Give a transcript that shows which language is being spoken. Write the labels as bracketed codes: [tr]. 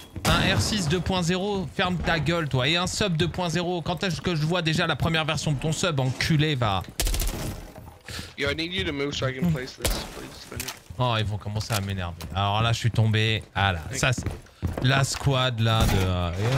[fr] Un R6 2.0, ferme ta gueule toi, et un sub 2.0, quand est-ce que je vois déjà la première version de ton sub, enculé va. [en] Yo, I need you to move so I can place this, please. [fr] Oh, ils vont commencer à m'énerver. Alors là, je suis tombé, ah là, ça c'est la squad là de...